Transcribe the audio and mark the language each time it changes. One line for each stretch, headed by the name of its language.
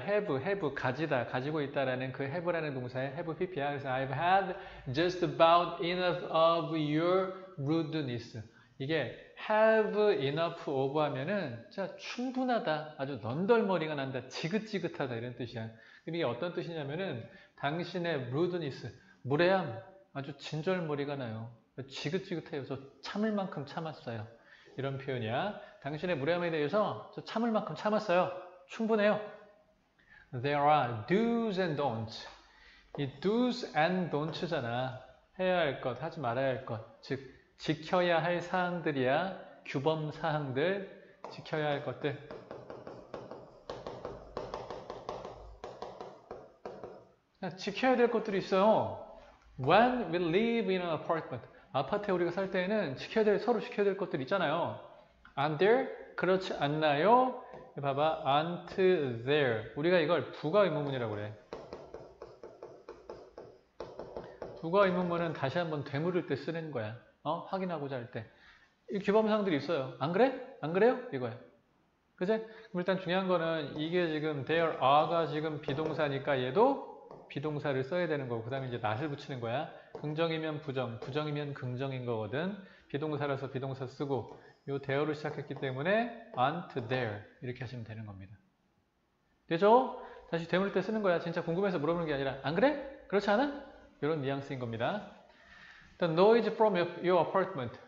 Korean: have, 가지다, 가지고 있다라는 그 have라는 동사의 have PP야. 그래서
English: I've had just about enough of your rudeness.
Korean: 이게 have enough of 하면은 진짜 충분하다. 아주 넌덜머리가 난다. 지긋지긋하다. 이런 뜻이야. 그럼 이게 어떤 뜻이냐면은 당신의 rudeness, 무례함, 아주 진절머리가 나요. 지긋지긋해요. 저 참을 만큼 참았어요. 이런 표현이야. 당신의 무례함에 대해서 저 참을 만큼 참았어요. 충분해요.
English: There are do's and don'ts.
Korean: 이 do's and don'ts잖아. 해야 할 것, 하지 말아야 할 것. 즉, 지켜야 할 사항들이야. 규범 사항들, 지켜야 할 것들. 지켜야 될 것들이 있어요.
English: When we live in an apartment.
Korean: 아파트에 우리가 살 때에는 지켜야 될, 서로 지켜야 될 것들이 있잖아요.
English: Aren't there?
Korean: 그렇지 않나요? 봐봐,
English: aren't there.
Korean: 우리가 이걸 부가 의문문이라고 그래. 부가 의문문은 다시 한번 되물을 때 쓰는 거야. 확인하고자 할 때. 이 규범상들이 있어요. 안 그래? 안 그래요? 이거야. 그제? 그럼 일단 중요한 거는 이게 지금 there are가 지금 비동사니까 얘도 비동사를 써야 되는 거고, 그 다음에 이제 not을 붙이는 거야. 긍정이면 부정, 부정이면 긍정인 거거든. 비동사라서 비동사 쓰고, 요 대어를 시작했기 때문에 aren't there 이렇게 하시면 되는 겁니다. 되죠? 다시 되물 때 쓰는 거야. 진짜 궁금해서 물어보는 게 아니라 안 그래? 그렇지 않아? 이런 뉘앙스인 겁니다.
English: The noise from your apartment.